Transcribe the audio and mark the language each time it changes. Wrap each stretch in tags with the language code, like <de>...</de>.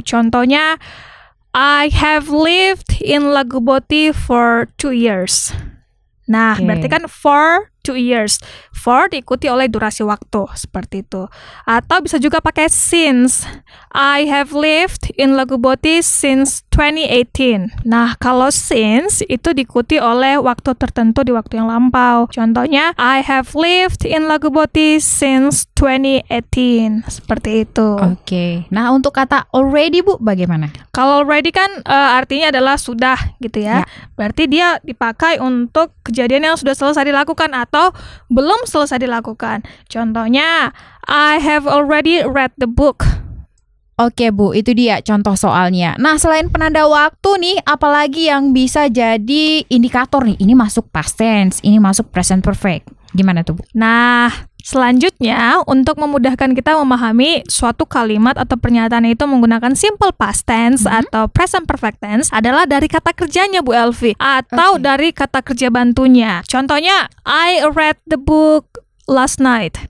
<en>Contohnya, I have lived in Lagu Boti for 2 years. Nah, okay, berarti kan for 2 years.</en> <id>For diikuti oleh durasi waktu, seperti itu. Atau bisa juga pakai since.</id> <en>I have lived in Legubote since 2018.</en> <id>Nah, kalau since itu diikuti oleh waktu tertentu di waktu yang lampau.</id> <en>Contohnya, I have lived in Legubote since 2018.</en> <id>Seperti itu. Oke. Okay. Nah, untuk kata already, Bu, bagaimana? Kalau already kan artinya adalah sudah, gitu ya. Berarti dia dipakai untuk kejadian yang sudah selesai dilakukan atau belum selesai dilakukan.</id> <en>Contohnya, I have already read the book.</en> <id>Oke, Bu, itu dia contoh soalnya. Nah, selain penanda waktu nih, apalagi yang bisa jadi indikator nih? Ini masuk past tense, ini masuk present perfect. Gimana tuh, Bu? Nah, selanjutnya, untuk memudahkan kita memahami suatu kalimat atau pernyataan itu menggunakan simple past tense atau present perfect tense adalah dari kata kerjanya, Bu Elvi, atau dari kata kerja bantunya.</id> <en>Contohnya, I read the book last night.</en>